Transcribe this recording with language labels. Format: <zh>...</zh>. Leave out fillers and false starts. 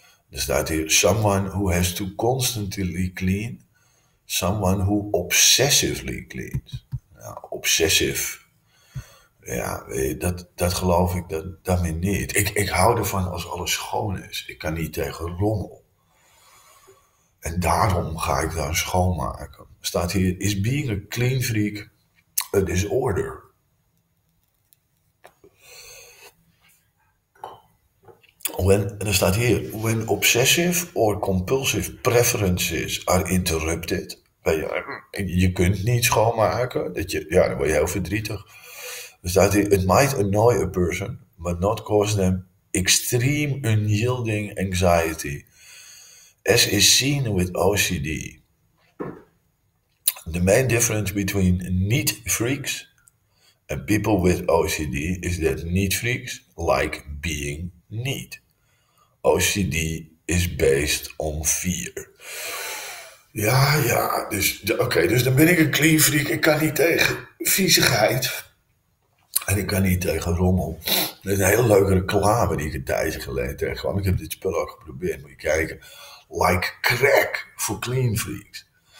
<nl>Er staat hier,</nl> <en>someone who has to constantly clean. Someone who obsessively cleans.</en> <nl>Nou, obsessive. Ja, dat geloof ik daarmee niet. Ik hou ervan als alles schoon is. Ik kan niet tegen rommel. En daarom ga ik dan schoonmaken. Staat hier,</nl> <en>is being a clean freak a disorder? When obsessive or compulsive preferences are interrupted.</en> <nl>Je kunt niet schoonmaken. Dan word je heel verdrietig.</nl> <en>It might annoy a person, but not cause them extreme unyielding anxiety. As is seen with OCD. The main difference between neat freaks and people with OCD is that neat freaks like being neat. OCD is based on fear.</en> <nl>Ja, dus okay, dus dan ben ik een clean freak. Ik kan niet tegen viezigheid. En ik kan niet tegen rommel. Dat is een hele leuke reclame die ik een tijdje geleden tegenkwam. Ik heb dit spul ook geprobeerd. Moet je kijken. Like crack voor clean freaks.</nl>